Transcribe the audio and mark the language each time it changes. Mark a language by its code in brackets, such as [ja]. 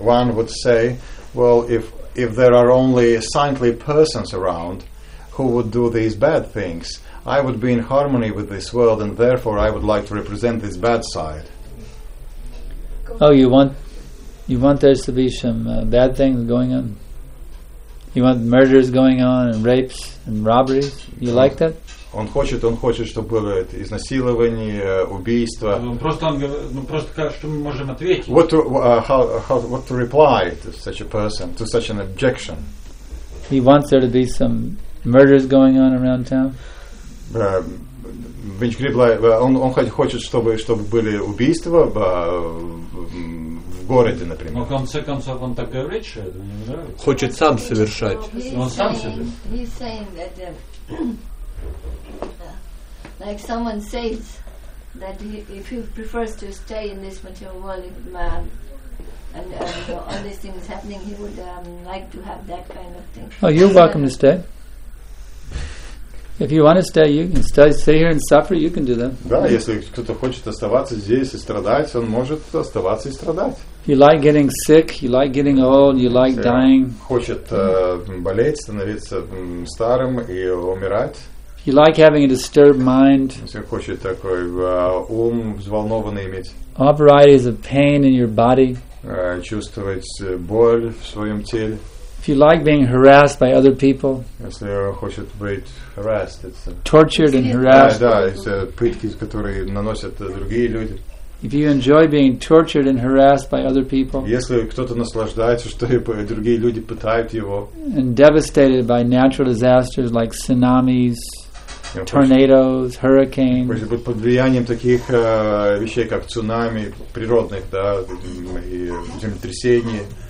[en] One would say, well, if there are only saintly persons around who would do these bad things, I would be in harmony with this world, and therefore I would like to represent this bad side. Oh, you want there to be some bad things going on? You want murders going on and rapes and robberies? You like that? [ru] Он хочет, чтобы было это изнасилование, убийство. [en] What to reply to such a person, to such an objection? He wants there to be some murders going on around town. [ru] Виньч Гриблай, он хочет, чтобы были убийства в городе, например. Но в конце концов он так говорит, что это не нравится. Хочет сам совершать. Он сам совершает. [en] Like someone says that if he prefers to stay in this material world, all these things happening, he would like to have that kind of thing. Oh, you're welcome to stay. If you want to stay, you can stay here and suffer. You can do that. [ru] Да, если кто-то хочет оставаться здесь и страдать, он может оставаться и страдать. [en] You like getting sick. You like getting old. You like dying. [ru] Хочет болеть, становиться старым и умирать. [en] You like having a disturbed mind. [ru] Если хочет такой взволнованный иметь. [en] All varieties of pain in your body. [ru] Чувствовать боль в своем теле. [en] If you like being harassed by other people. [ru] Если хочет быть harassed. [en] Tortured and harassed. [ru] Да, это пытки, которые наносят другие люди. [en] If you enjoy being tortured and harassed by other people. [ru] Если кто-то наслаждается, что другие люди пытают его. [en] And devastated by natural disasters like tsunamis, tornadoes, hurricanes. [ru] Если быть под влиянием таких вещей, как цунами природных, да, и землетрясения.